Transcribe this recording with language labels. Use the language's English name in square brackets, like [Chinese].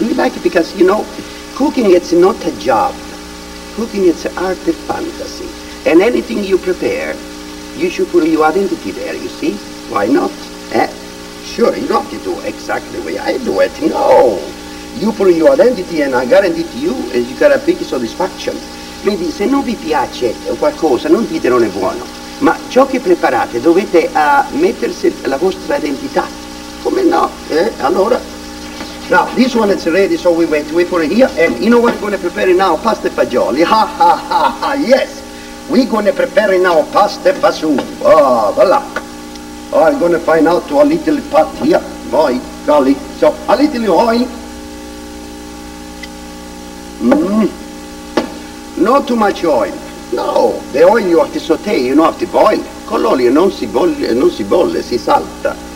[English] You like it because, you know, cooking, it's not a job. Cooking, it's an art of fantasy. And anything you prepare, you should put your identity there, you see? Why not? Sure, you don't have to do exactly the way I do it. No, you put your identity, and I guarantee to you, is you got a big satisfaction. [Italian] Quindi se non vi piace qualcosa, non dite non è buono, ma ciò che preparate dovete mettersi la vostra identità. Come no? [English] Allora, now this one is ready, so we put it here, and you know what we're going to prepare now? Pasta e fagioli. Ha ha ha ha, yes! We're going to prepare now pasta e fagioli. Oh, voilà. I'm going to find out a little pot here. Voi, golly. So, a little oil. Not too much oil. No, the oil you have to saute, you don't have to boil. [Italian] Con l'olio non si bolle, non si bolle, si salta.